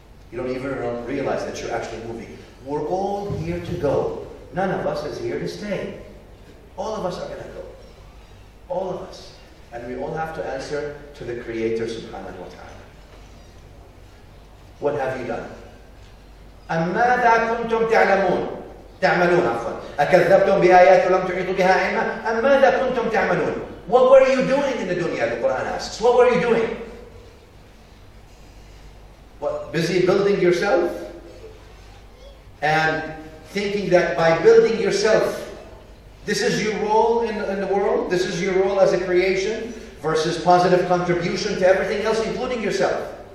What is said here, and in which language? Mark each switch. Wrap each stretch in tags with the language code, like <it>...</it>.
<en>You don't even realize that you're actually moving. We're all here to go. None of us is here to stay. All of us are going to go. All of us. And we all have to answer to the Creator subhanahu wa ta'ala. What have you done?</en> <ar>أَمَّاذَا كُنْتُمْ تَعْلَمُونَ تَعْمَلُونَ عَفْوًا أَكَذَّبْتُمْ بِآيَاتِ وَلَمْ تُحِيطُوا بِهَا عِلْمًا أَمَّاذَا كُنْتُمْ تَعْمَلُونَ</ar> <en>What were you doing in the dunya, the Quran asks. What were you doing? What, busy building yourself? And thinking that by building yourself, this is your role in the world, this is your role as a creation, versus positive contribution to everything else, including yourself.</en>